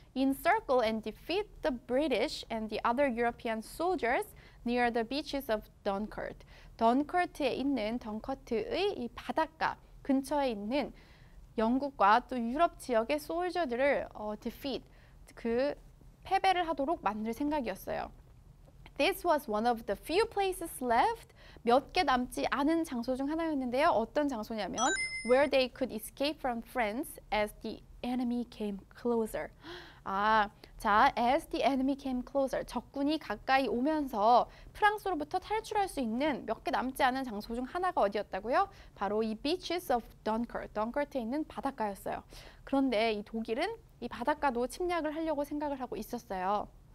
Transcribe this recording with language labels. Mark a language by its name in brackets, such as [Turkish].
[English] encircle and defeat the British and the other European soldiers near the beaches of Dunkirk. [Korean] Dunkirk에 있는 덩커트의 이 바닷가 근처에 있는 영국과 또 유럽 지역의 soldier들을 [English] defeat [Korean] 그 패배를 하도록 만들 생각이었어요. [English] This was one of the few places left. [Korean] 몇 개 남지 않은 장소 중 하나였는데요. 어떤 장소냐면 [English] where they could escape from France as the enemy came closer. 아, 자, as the enemy came closer. [Korean] 적군이 가까이 오면서 프랑스로부터 탈출할 수 있는 몇 개 남지 않은 장소 중 하나가 어디였다고요? 바로 이 [English] beaches of Dunkirk. [Korean] Dunkirk에 있는 바닷가였어요. 그런데 이 독일은 이 바닷가도 침략을 하려고 생각을 하고 있었어요.